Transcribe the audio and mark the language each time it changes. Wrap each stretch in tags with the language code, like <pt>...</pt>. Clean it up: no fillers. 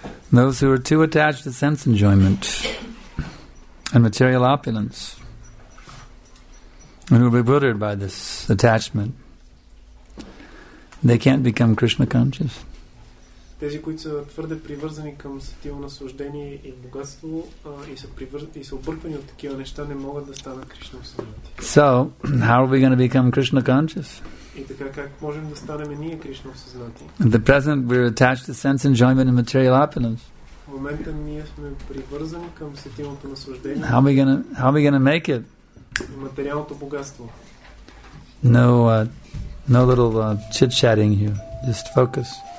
<en>Those who are too attached to sense enjoyment and material opulence, and who are bewildered by this attachment, they can't become Krishna conscious.</en> <bg>Тези, които са твърде привързани към сетивно наслаждение и богатство и са объркани от такива неща, не могат да станат Кришна осъзнати.</bg> <en>So, how are we going to become Krishna conscious?</en> <bg>И така, как можем да станем ние Кришна осъзнати?</bg> <en>At the present, we're attached to sense enjoyment and material opulence.</en> <bg>В момента ние сме привързани към сетивното наслаждение.</bg> <en>How are we going to make it?</en> <bg>Материалното богатство.</bg> <en>No little chit-chatting here. Just focus.</en>